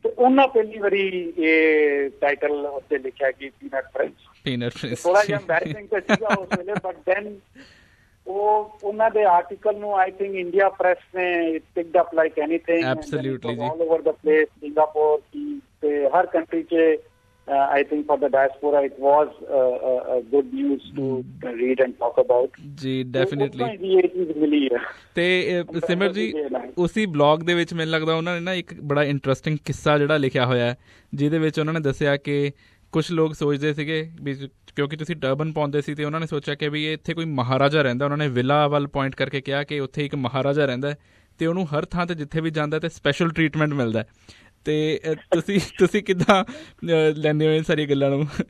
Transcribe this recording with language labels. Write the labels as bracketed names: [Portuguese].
[Punjabi] ਤੇ ਉਹਨਾਂ ਪਹਿਲੀ ਵਾਰੀ ਇਹ ਟਾਈਟਲ ਉੱਤੇ ਲਿਖਿਆ ਕਿ ਪੀਨਟ ਪ੍ਰਿੰਸ, ਪੀਨਟ ਪ੍ਰਿੰਸ ਥੋੜਾ ਜਿਹਾ ਐਂਬੈਰੈਸਿੰਗ ਤਾਂ ਸੀਗਾ ਉਸ ਵੇਲੇ, [English] but then [Punjabi] ਉਹ ਉਹਨਾਂ ਦੇ ਆਰਟੀਕਲ ਨੂੰ [English] I think [Punjabi] ਇੰਡੀਆ ਪ੍ਰੈਸ ਨੇ [English] picked up like anything, absolutely ਜੀ, all over the place, Singapore [Punjabi] ਤੇ ਹਰ ਕੰਟਰੀ 'ਚ। [English] I think for the diaspora it was a good news to read and talk about. Ji, definitely. So, what my idea is really here. [Punjabi] ਤੇ ਸਿਮਰ ਜੀ ਉਸੀ blog ਦੇ ਵਿੱਚ ਮੈਨੂੰ ਲੱਗਦਾ ਉਹਨਾਂ ਨੇ ਨਾ ਇੱਕ ਬੜਾ ਇੰਟਰਸਟਿੰਗ ਕਿੱਸਾ ਜਿਹੜਾ ਲਿਖਿਆ ਹੋਇਆ ਜਿਹਦੇ ਵਿੱਚ ਉਹਨਾਂ ਨੇ ਦੱਸਿਆ ਕਿ ਕੁਛ ਲੋਕ ਸੋਚਦੇ ਸੀਗੇ ਵੀ ਕਿਉਂਕਿ ਤੁਸੀਂ ਟਰਬਨ ਪਾਉਂਦੇ ਸੀ ਤੇ ਉਹਨਾਂ ਨੇ ਸੋਚਿਆ ਕਿ ਵੀ ਇੱਥੇ ਕੋਈ ਮਹਾਰਾਜਾ ਰਹਿੰਦਾ, ਉਹਨਾਂ ਨੇ ਵਿਲਾ ਵੱਲ ਪੁਆਇੰਟ ਕਰਕੇ ਕਿਹਾ ਕਿ ਉੱਥੇ ਇੱਕ ਮਹਾਰਾਜਾ ਰਹਿੰਦਾ ਤੇ ਉਹਨੂੰ ਹਰ ਥਾਂ ਤੇ ਜਿੱਥੇ ਵੀ ਜਾਂਦਾ ਤੇ ਸਪੈਸ਼ਲ ਟ੍ਰੀਟਮੈਂਟ ਮਿਲਦਾ ਤੇ ਤੁਸੀਂ ਤੁਸੀਂ ਕਿੱਦਾਂ ਲੈਂਦੇ ਹੋ ਇਹ ਸਾਰੀ ਗੱਲਾਂ ਨੂੰ?